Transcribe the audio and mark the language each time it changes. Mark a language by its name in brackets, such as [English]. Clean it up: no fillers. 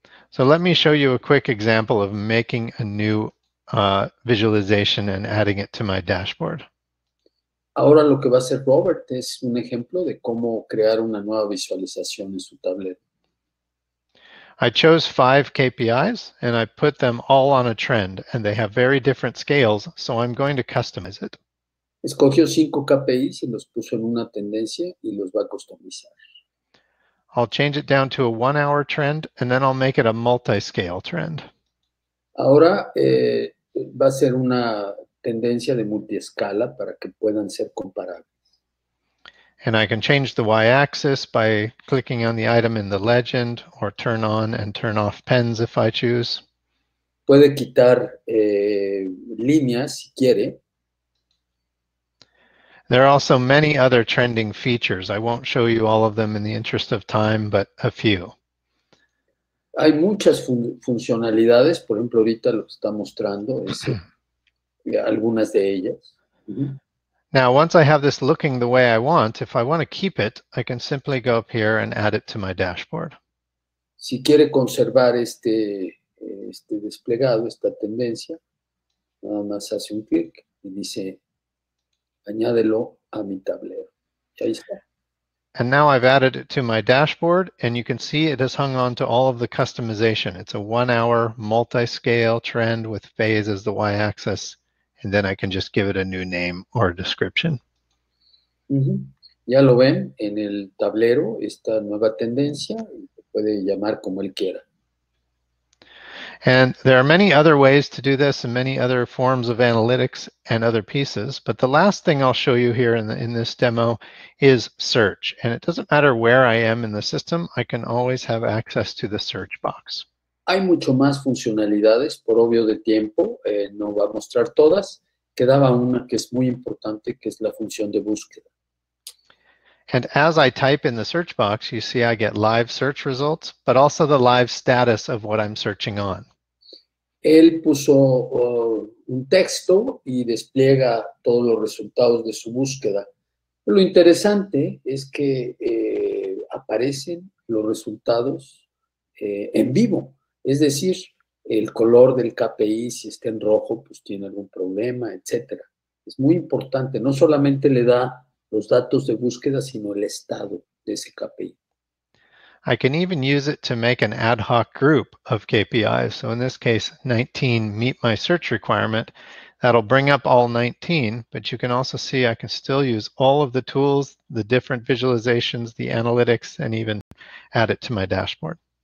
[English] So let me show you a quick example of making a new visualization and adding it to my dashboard. [Spanish] Ahora lo que va a hacer Robert es un ejemplo de cómo crear una nueva visualización en su tablero. [English] I chose 5 KPIs and I put them all on a trend, and they have very different scales, so I'm going to customize it. [Spanish] Escogió 5 KPIs y los puso en una tendencia y los va a customizar. [English] I'll change it down to a 1-hour trend, and then I'll make it a multi-scale trend. [Spanish] Ahora va a ser una tendencia de multiescala para que puedan ser comparables. [English] And I can change the y-axis by clicking on the item in the legend, or turn on and turn off pens if I choose. [Spanish] Puede quitar líneas si quiere. [English] There are also many other trending features. I won't show you all of them in the interest of time, but a few. [Spanish] Hay muchas funcionalidades. Por ejemplo, ahorita lo está mostrando algunas de ellas. [English] Now, once I have this looking the way I want, if I want to keep it, I can simply go up here and add it to my dashboard. [Spanish] Si quiere conservar este desplegado, esta tendencia, nada más hace un clic y dice, añádelo a mi tablero. Ahí está. [English] And now I've added it to my dashboard, and you can see it has hung on to all of the customization. It's a 1-hour multi-scale trend with phase as the y-axis, and then I can just give it a new name or a description. [Spanish] Ya lo ven en el tablero, esta nueva tendencia, puede llamar como él quiera. [English] And there are many other ways to do this and many other forms of analytics and other pieces. But the last thing I'll show you here in this demo is search. And it doesn't matter where I am in the system, I can always have access to the search box. [Spanish] Hay mucho más funcionalidades, por obvio de tiempo, no va a mostrar todas. Quedaba una que es muy importante, que es la función de búsqueda. [English] And as I type in the search box, you see I get live search results, but also the live status of what I'm searching on. [Spanish] Él puso un texto y despliega todos los resultados de su búsqueda. Lo interesante es que aparecen los resultados en vivo. Es decir, el color del KPI, si está en rojo, pues tiene algún problema, etc. Es muy importante. No solamente le da los datos de búsqueda, sino el estado de ese KPI. [English] I can even use it to make an ad hoc group of KPIs. So in this case, 19 meet my search requirement. That'll bring up all 19, but you can also see I can still use all of the tools, the different visualizations, the analytics, and even add it to my dashboard.